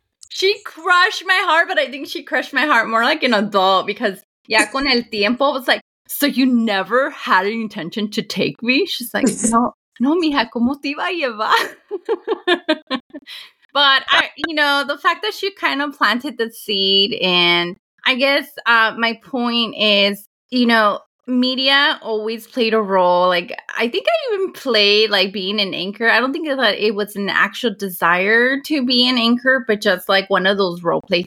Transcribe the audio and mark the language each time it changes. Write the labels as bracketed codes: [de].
[en] She crushed my heart, but I think she crushed my heart more like an adult because, yeah, [es] con el tiempo, [en] it was like, so you never had an intention to take me? She's like, [es] no, mija, ¿cómo te iba a llevar? [en] But, the fact that she kind of planted the seed, and I guess my point is, media always played a role. Like, I think I even played, like, being an anchor. I don't think that it was an actual desire to be an anchor, but just, like, one of those role plays.